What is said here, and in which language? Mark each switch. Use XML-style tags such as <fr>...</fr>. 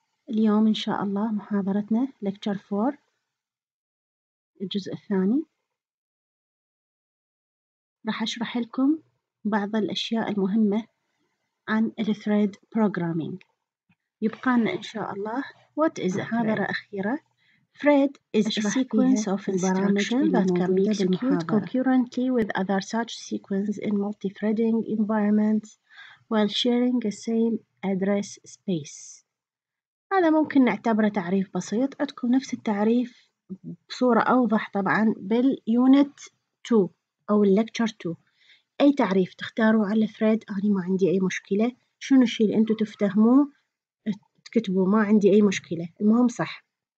<ar>اليوم إن شاء الله محاضرتنا Lecture 4 الجزء الثاني، راح أشرح لكم بعض الأشياء المهمة عن الـ Thread Programming. يبقى لنا إن شاء الله</ar> <en>What is a</en> <ar>محاضرة thread.</ar> <en>أخيرة Thread is a sequence of instructions that can be executed concurrently with other such sequences in multi-threading environments while sharing the same address space.</en> <ar>هذا ممكن نعتبره تعريف بسيط، عندكم نفس التعريف بصورة أوضح طبعاً بالunit 2 أو lecture 2. أي تعريف تختاروا على thread أنا ما عندي أي مشكلة، شنو الشيء اللي أنتم تفتهموه تكتبوا ما عندي أي مشكلة، المهم صح.</ar>